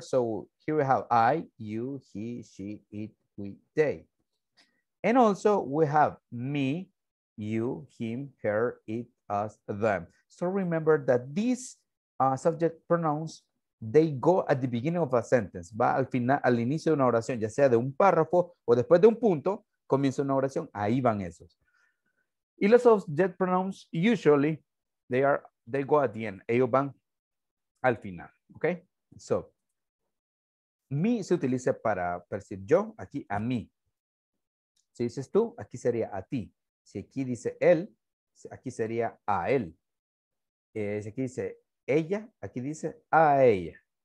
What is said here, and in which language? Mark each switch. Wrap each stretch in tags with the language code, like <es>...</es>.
<en>So here we have I, you, he, she, it, we, they. And also we have me, you, him, her, it, us, them. So remember that these subject pronouns, they go at the beginning of a sentence.</en> <es>Va al final, al inicio de una oración, ya sea de un párrafo o después de un punto, comienza una oración, ahí van esos. Y los</es> <en>subject pronouns, usually, they go at the end.</en> <es>Ellos van al final, ¿ok? So, me se utiliza para percibir yo, aquí a mí. Si dices tú, aquí sería a ti. Si aquí dice él, aquí sería a él. Si aquí dice ella, aquí dice a ella.</es>